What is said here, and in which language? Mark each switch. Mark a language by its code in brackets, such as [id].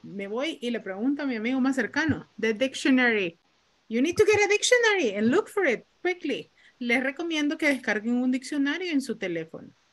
[es] Me voy y le pregunto a mi amigo más cercano. [en] The dictionary. You need to get a dictionary and look for it quickly. [es] Les recomiendo que descarguen un diccionario en su teléfono.